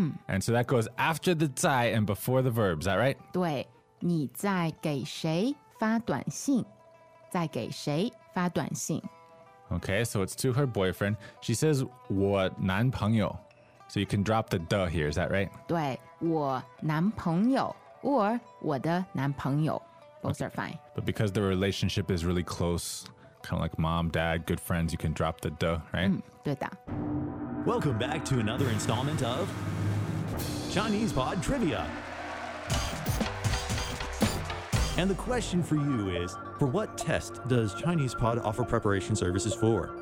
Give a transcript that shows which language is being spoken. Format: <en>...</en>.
<en>And so that goes after the 在 and before the verb, is that right?</en> <zh>对。你在给谁发短信。在给谁发短信。</zh> <en>Okay, so it's to her boyfriend. She says,</en> <zh>我男朋友。</zh> <en>So you can drop the 的 here, is that right?</en> <zh>对。我男朋友 or 我的男朋友。</zh> <en>Both are fine. But because the relationship is really close, kind of like mom, dad, good friends, you can drop the 的, right?</en> <zh>对的。</zh> <en>Welcome back to another installment of Chinese Pod Trivia. And the question for you is, for what test does Chinese Pod offer preparation services for?</en>